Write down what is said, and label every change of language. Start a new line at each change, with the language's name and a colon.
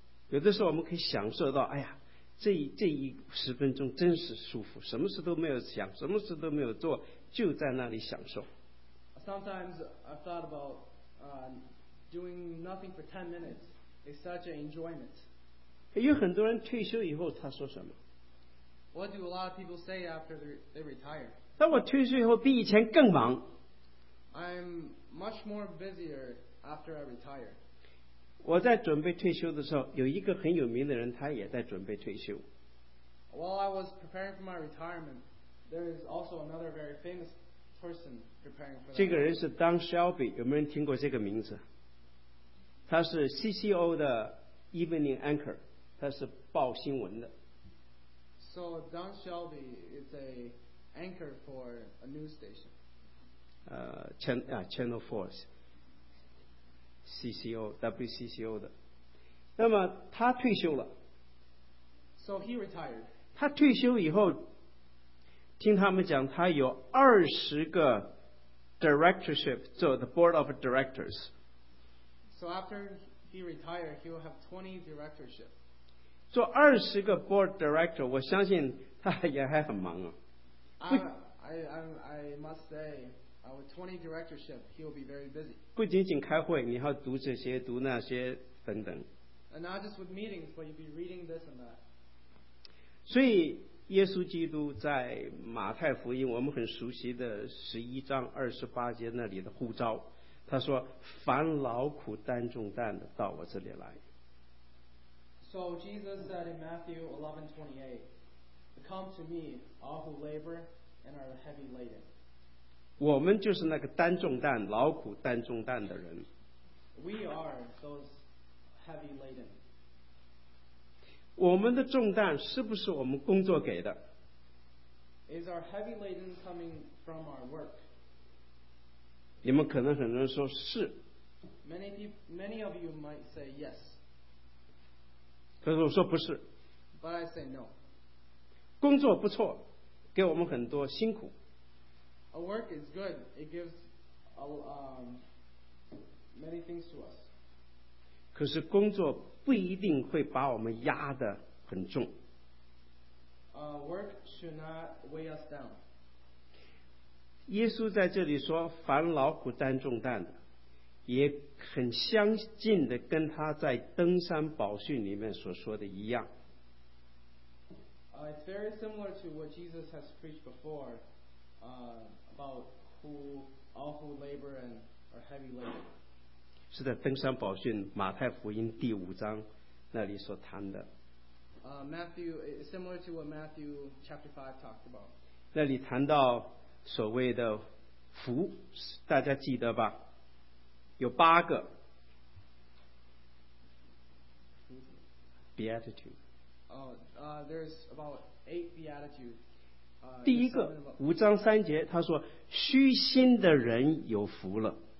Chinese: 有的时候我们可以享受到，哎呀，这一十分钟真是舒服，什么事都没有想，什么事都没有做，就在那里享受。
English: Sometimes I've thought about doing nothing for 10 minutes. It's such an enjoyment.
Chinese: 有很多人退休以后他说什么？
English: What do a lot of people say after they retire?
Chinese: 那我退休以后比以前更忙。
English: I'm much more busier. After I retire.
Chinese: 我在准备退休的时候，有一个很有名的人，他也在准备退休。
English: While I was preparing for my retirement, there is also another very famous person preparing for.
Chinese: 这个人是 Don Shelby， 有没有人听过这个名字？他是 CCO 的 Evening Anchor， 他是报新闻的。
English: So Don Shelby is a anchor for a news station. Channel 4.
Chinese: CCO WCCO 的，那么他退休了。
English: So he retired.
Chinese: 他退休以后，听他们讲，他有20个 directorship 做的 board of directors.
English: So after he retired, he will have 20 directorship.
Chinese: 做二十个 board director， 我相信他也还很忙啊。
English: I must say. With 20 directorship, he will be very busy.
Chinese: 不仅仅开会，你要读这些，读那些，等等。
English: And not just with meetings, but you'll be reading this and that.
Chinese: 所以，耶稣基督在马太福音，我们很熟悉的11章28节那里的呼召，他说：“凡劳苦担重担的，到我这里来。”
English: So Jesus said in Matthew 11:28, "Come to me, all who labor and are heavy laden."
Chinese: 我们就是那个担重担、劳苦担重担的人。
English: We are those heavy laden.
Chinese: 我们的重担是不是我们工作给的
English: ？Is our heavy laden coming from our work?
Chinese: 你们可能很多人说是。
English: Many of you might say yes.
Chinese: 可是我说不是。
English: But I say no.
Chinese: 工作不错，给我们很多辛苦。
English: A work is good. It gives many things to us.
Chinese: 可是工作不一定会把我们压得很重。
English: Work should not weigh us down.
Chinese: 耶稣在这里说，凡劳苦担重担的，也很相近的跟他在登山宝训里面所说的一样。
English: It's very similar to what Jesus has preached before. About who labor and are heavy laden.
Chinese: 是在登山宝训马太福音第5章那里所谈的。
English: Matthew, similar to what Matthew chapter 5 talked about.
Chinese: 那里谈到所谓的福, 大家记得吧? 有八个, Beatitude.
English: There's about 8 Beatitudes.
Chinese: 第一个, 五章三节, 他说, 虚心的人有福了。